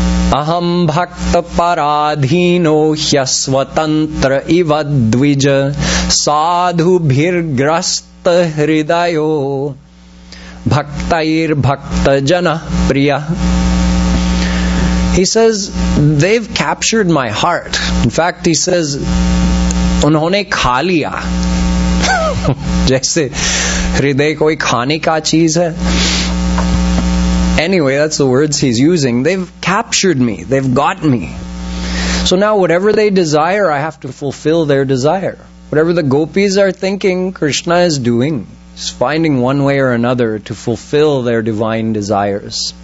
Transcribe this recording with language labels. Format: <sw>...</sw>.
<sa>Aham bhakta paradhino hyasvatantra ivadvija sadhu bhirgrasta hridayo bhaktair bhakta jana priya.</sa> <en>He says, they've captured my heart. In fact, he says,</en> <hi>उन्होंने खा लिया. जैसे हृदय कोई खाने का चीज़ है.</hi> <en>Anyway, that's the words he's using. They've captured me. They've got me. So now whatever they desire, I have to fulfill their desire. Whatever the gopis are thinking, Krishna is doing. He's finding one way or another to fulfill their divine desires.</en>